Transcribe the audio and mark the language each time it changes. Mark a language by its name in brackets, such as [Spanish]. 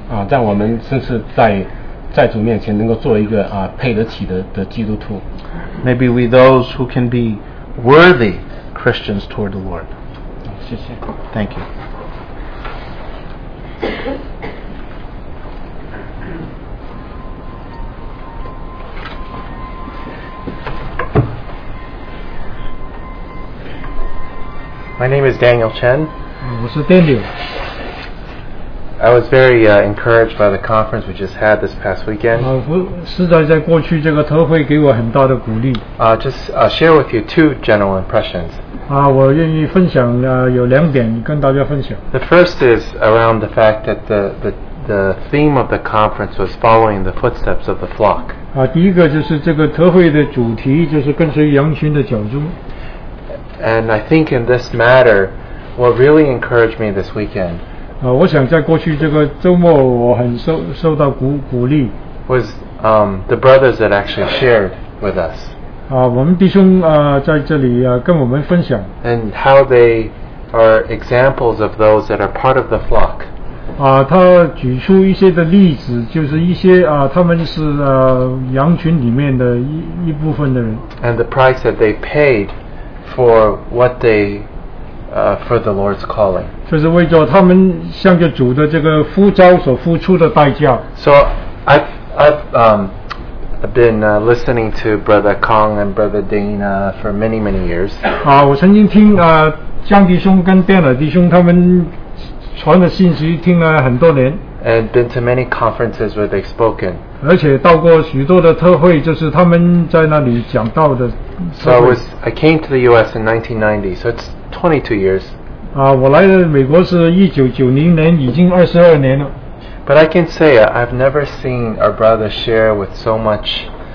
[Chinese] 让我们甚至在主面前能够做一个配得起的基督徒。 [English] Maybe we those who can be worthy Christians toward the Lord. [Chinese] 谢谢。 [English] Thank you. My name is Daniel Chen. [Chinese] 我是 Daniel。 [English] I was very encouraged by the conference we just had this past weekend. [Chinese] 实在在过去这个特会给我很大的鼓励。 [English] Just share with you two general impressions. [Chinese] 我愿意分享有两点跟大家分享。 [English] The first is around the fact that the theme of the conference was following the footsteps of the flock. [Chinese] 第一个就是这个特会的主题就是跟随羊群的脚踪。 [English] And I think in this matter, what really encouraged me this weekend. [Chinese] 我想在过去这个周末，我很受到鼓励。 [English] Was the brothers that actually shared with us. [Chinese] 我们弟兄在这里跟我们分享。 [English] And how they are examples of those that are part of the flock. [Chinese] 他举出一些的例子，就是一些他们是羊群里面的一部分的人。 [English] And the price that they paid. For what they, for the Lord's calling. [Chinese] 就是为着他们向着主的这个呼召所付出的代价。 [English] So I've been listening to Brother Kong and Brother Dana for many, many years. [Chinese] 我曾经听江弟兄跟电脑弟兄他们传的信息听了很多年。 [English] And been to many conferences where they've spoken. [Chinese] 而且到过许多的特会，就是他们在那里讲到的。 [English] So I came to the U.S. in 1990, so it's 22 years. [Chinese] 我来的美国是1990年，已经22年了。 [English] But I can say I've never seen our brother share with so much.